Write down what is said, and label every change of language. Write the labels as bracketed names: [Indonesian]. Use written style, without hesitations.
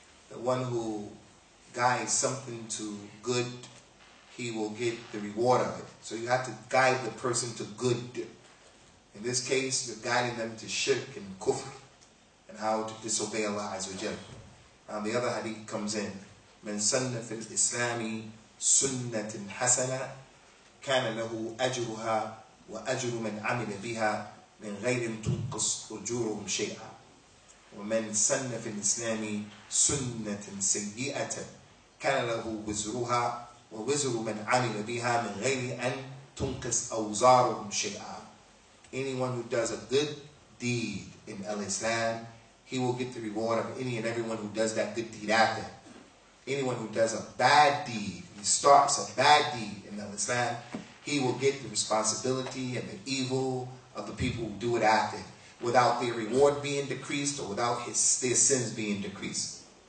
[English] The one who guides something to good, he will get the reward of it. So you have to guide the person to good. In this case, you're guiding them to shirk and kufr. And how to disobey Allah Azza wa Jalla. Now the other hadith comes in. [Arabic] من سن في الإسلام سنة حسنة كان له أجرها وأجر من عمل بها من غير تنقص أجورهم شيئا ومن سن في الإسلام سنة سيئة كان له وزرها ووزر من عمل بها من غير أن تنقص أوزارهم شيئا. [English] Anyone who does a good deed in Al-Islam, he will get the reward of any and everyone who does that good deed after. Anyone who does a bad deed, he starts a bad deed in Islam, he will get the responsibility and the evil of the people who do it after, without their reward being decreased or without their sins being decreased.